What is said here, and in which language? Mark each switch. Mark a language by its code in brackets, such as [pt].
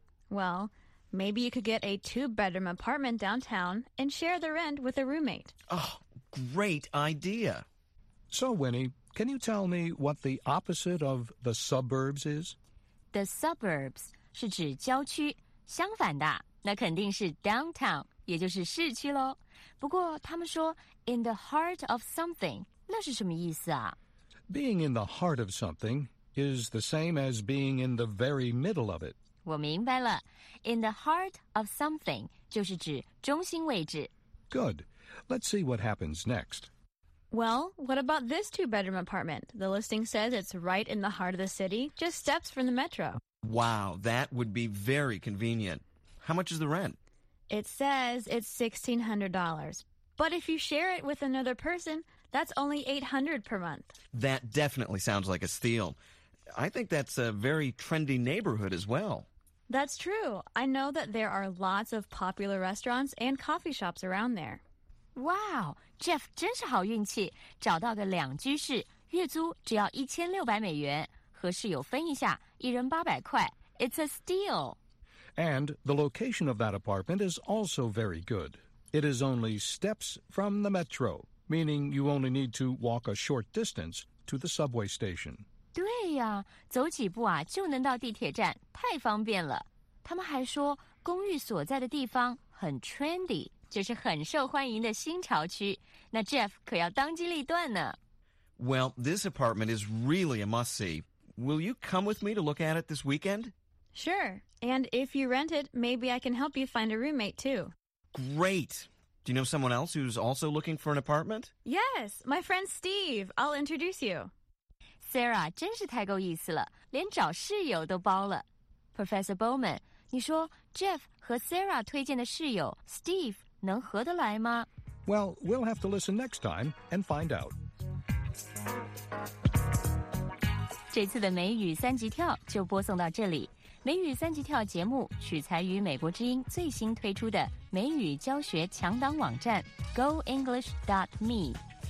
[en] Well, maybe you could get a 2-bedroom apartment downtown and share the rent with a roommate. Oh, great idea. So, Winnie, can you tell me what the opposite of the suburbs is? [zh] The suburbs 是指郊区。相反的，那肯定是 downtown, 也就是市区咯。不过他们说 [en] in the heart of something, [zh] 那是什么意思啊？ [en] Being in the heart of something is the same as being in the very middle of it. [zh] 我明白了。 [en] In the heart of something [zh] 就是指中心位置。 [en] Good. Let's see what happens next. Well, what about this 2-bedroom apartment? The listing says it's right in the heart of the city, just steps from the metro. Wow, that would be very convenient. How much is the rent? It says it's $1,600. But if you share it with another person, that's only $800 per month. That definitely sounds like a steal. I think that's a very trendy neighborhood as well. That's true. I know that there are lots of popular restaurants and coffee shops around there. [zh] Wow, Jeff 真是好运气，找到个两居室，月租只要$1,600。和室友分一下，一人800块。 [en] It's a steal. And the location of that apartment is also very good. It is only steps from the metro, meaning you only need to walk a short distance to the subway station. [zh] 对呀，走几步啊就能到地铁站，太方便了。他们还说，公寓所在的地方很 trendy, 就是很受欢迎的新潮区。那 Jeff 可要当机立断呢。 [en] Well, this apartment is really a must-see. Will you come with me to look at it this weekend? Sure. And if you rent it, maybe I can help you find a roommate, too. Great. Do you know someone else who's also looking for an apartment? Yes, my friend Steve. I'll introduce you. [zh] Sarah, 真是太够意思了，连找室友都包了。 Professor Bowman, 你说 Jeff 和 Sarah 推荐的室友 Steve 能合得来吗？ [en] Well, we'll have to listen next time and find out. [zh] 这次的美语三级跳就播送到这里。美语三级跳节目取材于美国之音最新推出的美语教学强档网站 goenglish.me, 网址是 www.goenglish.me。